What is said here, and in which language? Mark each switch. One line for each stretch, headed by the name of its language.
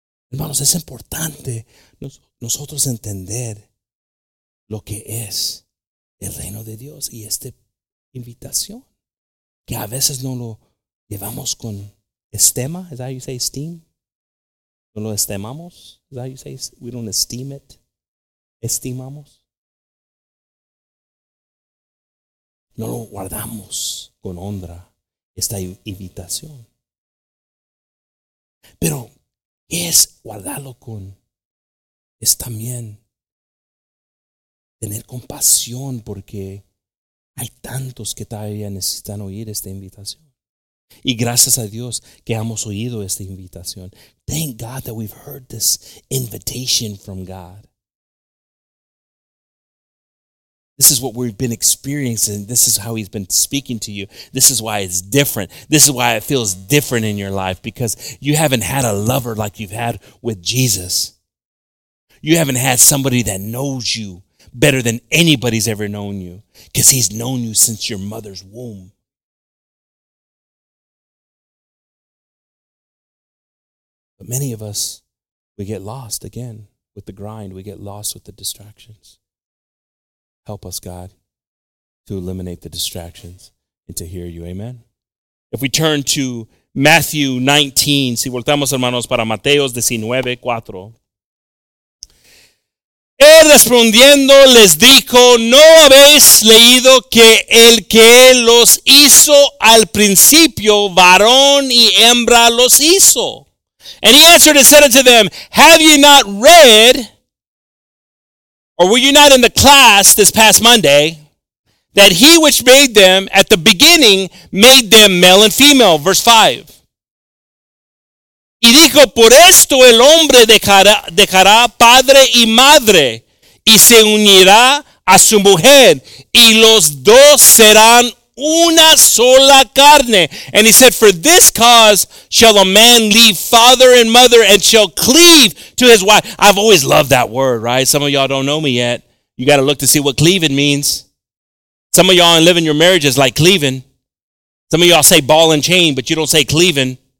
Spanish: Hermanos, es importante nosotros entender lo que es el reino de Dios y esta invitación, que a veces no lo llevamos con estima.
English: Is that how you say esteem?
Spanish: No lo estimamos.
English: Is that how you say we don't esteem it?
Spanish: Estimamos. No lo guardamos con honra, esta invitación. Pero es guardarlo con, es también tener compasión porque hay tantos que todavía necesitan oír esta invitación. Y gracias a Dios que hemos oído esta invitación.
English: Thank God that we've heard this invitation from God. This is what we've been experiencing. This is how he's been speaking to you. This is why it's different. This is why it feels different in your life, because you haven't had a lover like you've had with Jesus. You haven't had somebody that knows you better than anybody's ever known you, because he's known you since your mother's womb. But many of us, we get lost again with the grind. We get lost with the distractions. Help us, God, to eliminate the distractions and to hear you. Amen. If we turn to Matthew 19,
Spanish: si voltamos, hermanos, para Mateos 19:4. Él respondiendo les dijo, ¿no habéis leído que él los hizo al principio, varón y hembra los hizo?
English: And he answered and said unto them, have you not read, or were you not in the class this past Monday, that he which made them at the beginning made them male and female? Verse 5.
Spanish: Y dijo, por esto el hombre dejará padre y madre, y se unirá a su mujer, y los dos serán una sola carne.
English: And he said, for this cause shall a man leave father and mother, and shall cleave to his wife. I've always loved that word, right? Some of y'all don't know me yet. You got to look to see what cleaving means. Some of y'all ain't living your marriages like cleaving. Some of y'all say ball and chain, but you don't say cleaving.